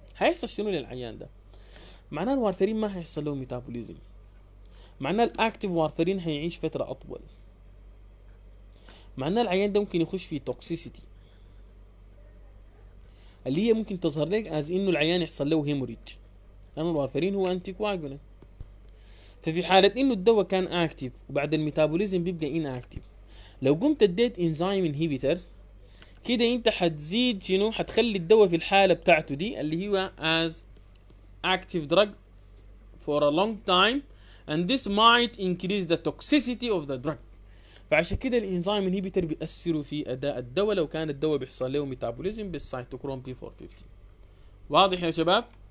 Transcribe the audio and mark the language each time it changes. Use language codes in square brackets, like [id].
[ar] هيحصل شنو للعيان ده؟ معناه الوارفارين ما هيحصل له ميتابوليزم، معناه الاكتيف وارفارين هيعيش فتره اطول، معناه العيان ده ممكن يخش في توكسيسيتي اللي هي ممكن تظهر لك از انه العيان يحصل له هيموريج، لان الوارفارين هو انتي كواجولنت. ففي حالة انه الدواء كان اكتيف وبعد الميتابوليزم بيبقى ان اكتيف، لو قمت اديت انزيم انهيبيتر كده انت حتزيد شنو؟ حتخلي الدواء في الحالة بتاعته دي اللي هو از [en] active drug for a long time and this might increase the toxicity of the drug. [ar] فعشان كده الانزيم انهيبيتر بيأثروا في اداء الدواء لو كان الدواء بيحصل له ميتابوليزم بالسيتوكروم بي 450. واضح يا شباب؟